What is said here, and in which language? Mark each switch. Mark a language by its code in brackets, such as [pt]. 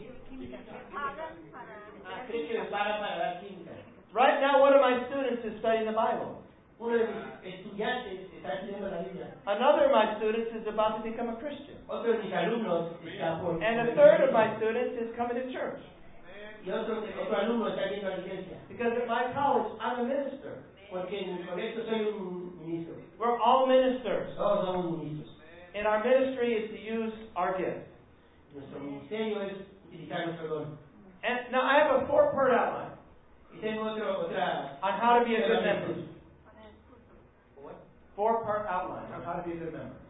[es] Me pagan para enseñar el ministerio. [en] Right now, one of my students is studying the Bible. [es] Uno de mis estudiantes está estudiando la Biblia. [en] Another of my students is about to become a Christian. [es] Otro de mis alumnos está por. [en] And a third of my students is coming to church. [es] Y otro alumno está yendo a la iglesia. [en] Because at my college, I'm a minister. [es] Porque en el colegio soy un. [en] We're all ministers. [es] Todos somos ministros. [en] And our ministry is to use our gift. [es] Nuestro ministerio es utilizar nuestro don. [en] And now I have a four-part outline. [es] Y tengo otra. [en] On how to be a good member. What? Four-part outline on how to be a good member.